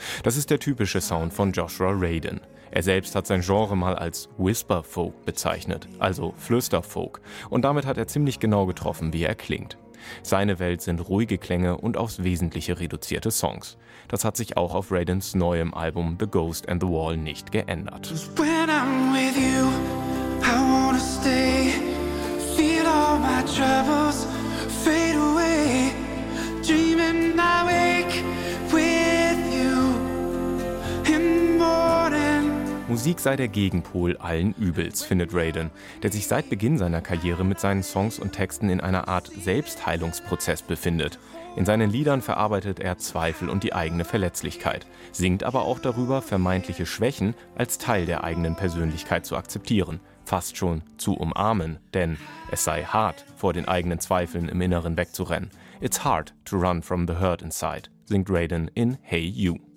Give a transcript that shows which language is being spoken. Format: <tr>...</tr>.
<de>Das ist der typische Sound von Joshua Radin. Er selbst hat sein Genre mal als Whisper Folk bezeichnet, also Flüsterfolk. Und damit hat er ziemlich genau getroffen, wie er klingt. Seine Welt sind ruhige Klänge und aufs Wesentliche reduzierte Songs. Das hat sich auch auf Radins neuem Album The Ghost and the Wall nicht geändert.</de> <en>When I'm with you, I wanna stay. Feel all my troubles fade away. Dreaming I wake with you in the morning.</en> <de>Musik sei der Gegenpol allen Übels, findet Radin, der sich seit Beginn seiner Karriere mit seinen Songs und Texten in einer Art Selbstheilungsprozess befindet. In seinen Liedern verarbeitet er Zweifel und die eigene Verletzlichkeit, singt aber auch darüber, vermeintliche Schwächen als Teil der eigenen Persönlichkeit zu akzeptieren, fast schon zu umarmen, denn es sei hart, vor den eigenen Zweifeln im Inneren wegzurennen.</de> <en>It's hard to run from the hurt inside,</en> <de>singt Radin in Hey You.</de>